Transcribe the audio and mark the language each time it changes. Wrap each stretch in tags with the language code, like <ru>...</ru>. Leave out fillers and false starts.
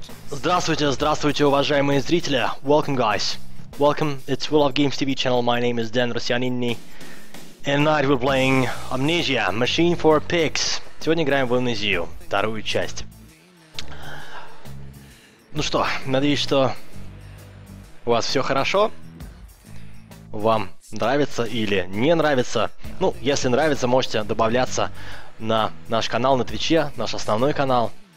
<ru>Здравствуйте, здравствуйте, уважаемые зрители.</ru> <en>Welcome, guys. Welcome, it's Will of Games TV channel. My name is Dan Rossianini. And tonight we're playing Amnesia, Machine for Pigs.</en> <ru>Сегодня играем в Amnesia, вторую часть. Ну что, надеюсь, что у вас все хорошо. Вам нравится или не нравится. Ну, если нравится, можете добавляться на наш канал на Твиче, наш основной канал.</ru>